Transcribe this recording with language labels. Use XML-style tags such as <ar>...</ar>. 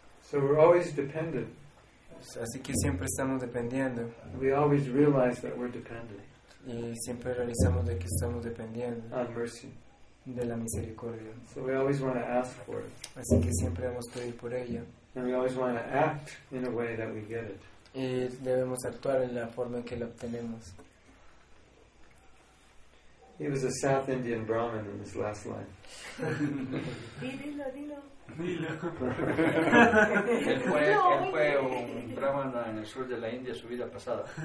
<en>So we're always dependent.</en> <es>Así que siempre estamos dependiendo.</es> <en>We always realize that we're dependent.</en> <es>Y siempre realizamos de que estamos dependiendo.</es> <en>On mercy.</en> <es>De la misericordia.</es> <en>So we always want to ask for it.</en> <es>Así que siempre vamos a pedir por ella.</es> <en>And we always want to act in a way that we get it.</en> <es>Y debemos actuar en la forma en que lo obtenemos.</es> <en>He was a South Indian Brahmin in his last life.</en> <es>Dilo. él fue un Brahmana en el sur de la India su vida pasada.</es>